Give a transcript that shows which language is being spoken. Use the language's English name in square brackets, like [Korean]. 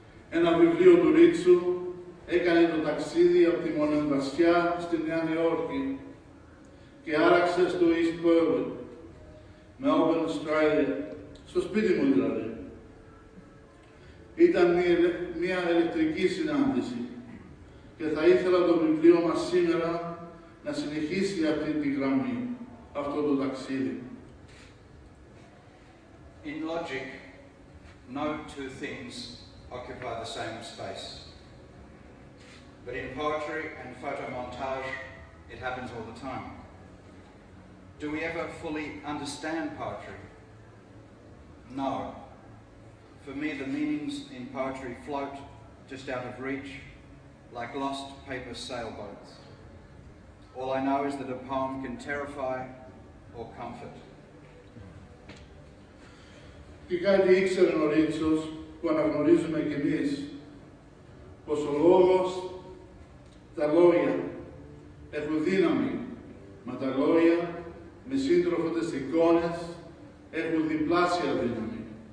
[Greek] Ένα βιβλίο του Ρίτσου έκανε το ταξίδι από τη Μονεμβασιά στη Νέα Υόρκη και άραξε στο East Berwyn, με Open Australia, στο σπίτι μου δηλαδή. Ήταν μια ηλεκτρική συνάντηση και θα ήθελα το βιβλίο μας σήμερα να συνεχίσει αυτή τη γραμμή, αυτό το ταξίδι. [English] In logic, no two things occupy the same space. But in poetry and photomontage, it happens all the time. Do we ever fully understand poetry? No. For me, the meanings in poetry float just out of reach, like lost paper sailboats. All I know is that a poem can terrify or comfort. [Greek] Και κάτι ήξερε ο Ρίτσος που αναγνωρίζουμε κι εμείς, πως ο λόγος, τα λόγια έχουν δύναμη, μα τα λόγια με σύντροφο τις εικόνες έχουν διπλάσια δύναμη.